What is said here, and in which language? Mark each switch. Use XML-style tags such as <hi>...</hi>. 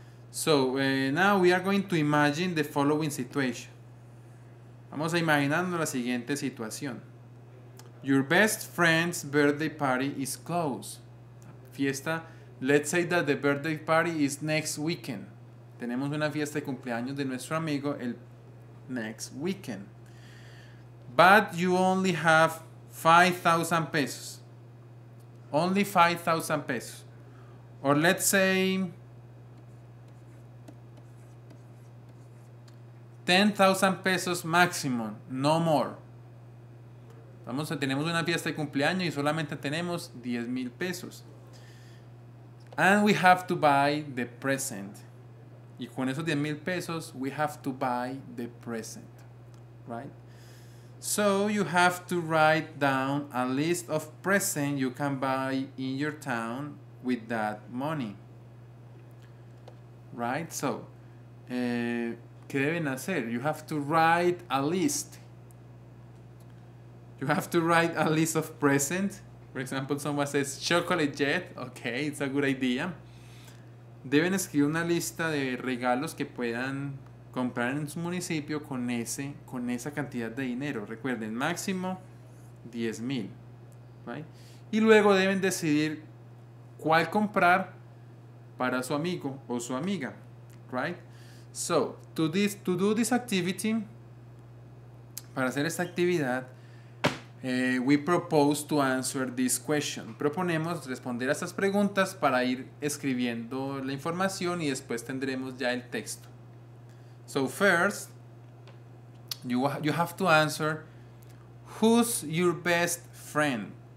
<en>So now we are going to imagine the following situation.</en> <es>Vamos a imaginarnos la siguiente situación.</es> <en>Your best friend's birthday party is close. Fiesta, let's say that the birthday party is next weekend.</en> <es>Tenemos una fiesta de cumpleaños de nuestro amigo el</es> <en>next weekend. But you only have 5,000 pesos. Only 5,000 pesos. Or let's say 10,000 pesos maximum, no more.</en> <es>Vamos, tenemos una fiesta de cumpleaños y solamente tenemos 10,000 pesos.</es> <en>And we have to buy the present.</en> <es>Y con esos 10,000 pesos,</es> <en>we have to buy the present. Right? So you have to write down a list of presents you can buy in your town with that money. Right? So,</en> <es>¿qué deben hacer?</es> <en>You have to write a list. You have to write a list of presents. For example, someone says chocolate jet. Okay, it's a good idea.</en> <es>Deben escribir una lista de regalos que puedan comprar en su municipio con ese, con esa cantidad de dinero. Recuerden, máximo 10,000. Right? Y luego deben decidir cuál comprar para su amigo o su amiga.</es> <en>Right? So, to do this activity,</en> <es>para hacer esta actividad,</es> <en>we propose to answer this question.</en> <es>Proponemos responder a estas preguntas para ir escribiendo la información y después tendremos ya el texto.</es> <en>So first, you have to answer, who's your best friend?</en>